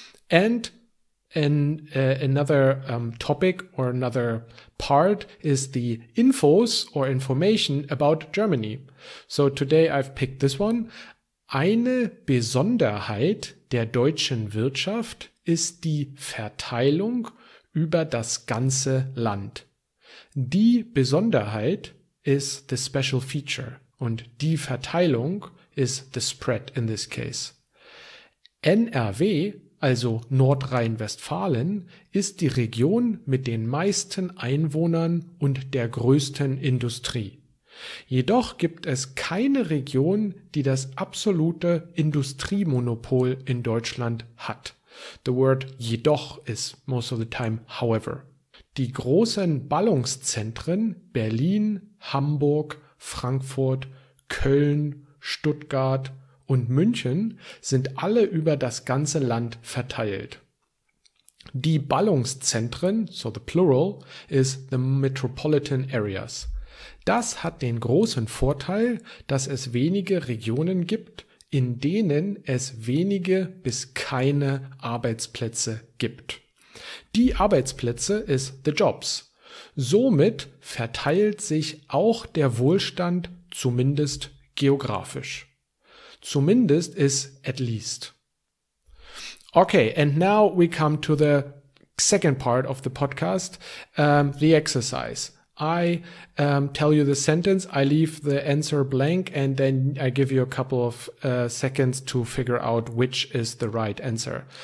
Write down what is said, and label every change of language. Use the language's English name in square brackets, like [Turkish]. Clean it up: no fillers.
[English] And another part is the infos or information about Germany. So today I've picked this one. [German] Eine Besonderheit der deutschen Wirtschaft ist die Verteilung über das ganze Land. Die Besonderheit ist [English] the special feature [German] und die Verteilung ist [English] the spread in this case. [German] NRW, also Nordrhein-Westfalen, ist die Region mit den meisten Einwohnern und der größten Industrie. Jedoch gibt es keine Region, die das absolute Industriemonopol in Deutschland hat. [English] The word jedoch is most of the time however. [German] Die großen Ballungszentren Berlin, Hamburg, Frankfurt, Köln, Stuttgart und München sind alle über das ganze Land verteilt. [English] Die Ballungszentren, so the plural, is the metropolitan areas. [German] Das hat den großen Vorteil, dass es wenige Regionen gibt, in denen es wenige bis keine Arbeitsplätze gibt. Die Arbeitsplätze [English] is the jobs. [German] Somit verteilt sich auch der Wohlstand zumindest geografisch. [English] Zumindest is at least. Okay, and now we come to the second part of the podcast, the exercise. I tell you the sentence, I leave the answer blank, and then I give you a couple of seconds to figure out which is the right answer.